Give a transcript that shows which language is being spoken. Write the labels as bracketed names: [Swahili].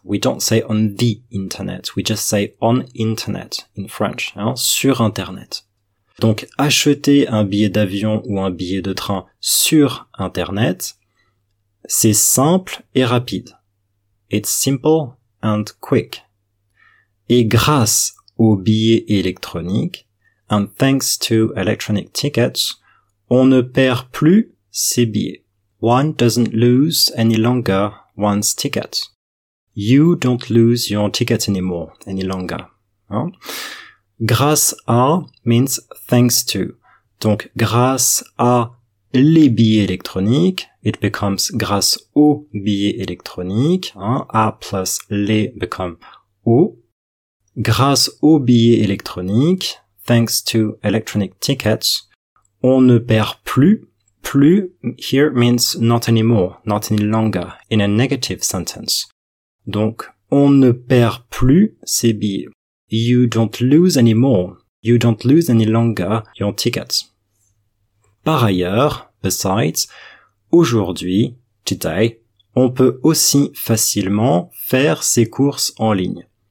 [English] We don't say on the Internet. We just say on Internet in French. [French] Sur Internet. Donc, acheter un billet d'avion ou un billet de train sur Internet, c'est simple et rapide. [English] It's simple and quick. [French] Et grâce au billet électronique, [English] and thanks to electronic tickets, [French] on ne perd plus ses billets. [English] One doesn't lose any longer one's ticket. You don't lose your ticket anymore, any longer. Hein? Grâce à means thanks to. [French] Donc, grâce à les billets électroniques, [English] it becomes [French] grâce aux billets électroniques. [English] Hein? A plus les become au. [French] Grâce aux billets électroniques, [English] thanks to electronic tickets, [French] on ne perd plus, [English] plus, here means not anymore, not any longer, in a negative sentence. [French] Donc, on ne perd plus ses billets. [English] You don't lose anymore, you don't lose any longer your tickets. [French] Par ailleurs, [English] besides. [French] Aujourd'hui, [English] today, [French] on peut aussi facilement faire ses courses en ligne.